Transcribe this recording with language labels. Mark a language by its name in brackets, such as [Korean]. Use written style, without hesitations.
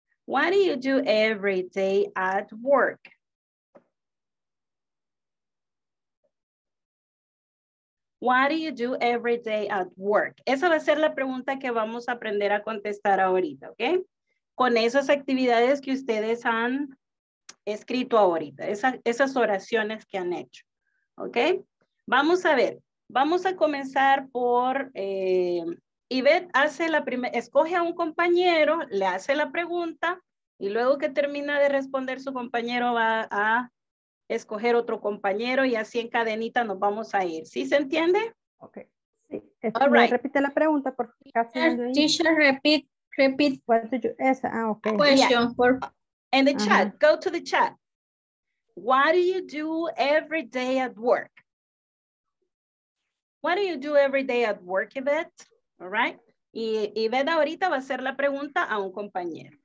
[English] What do you do every day at work? What do you do every day at work? [Spanish] Esa va a ser la pregunta que vamos a aprender a contestar ahorita, ¿ok? Con esas actividades que ustedes han escrito ahorita, esas oraciones que han hecho, ¿ok? Vamos a ver, vamos a comenzar por, Ivette hace la primera, escoge a un compañero, le hace la pregunta y luego que termina de responder su compañero va a escoger otro compañero y así en cadenita nos vamos a ir. ¿Sí se entiende? Ok. Sí. [English] All right. [Spanish] Repite la pregunta por [English] casi. Teacher, repeat. What did you ask? Ah, okay. Question for. In the chat. Go to the chat. What do you do every day at work? What do you do every day at work, Yvette? All right. [Spanish] Y Yvette ahorita va a hacer la pregunta a un compañero.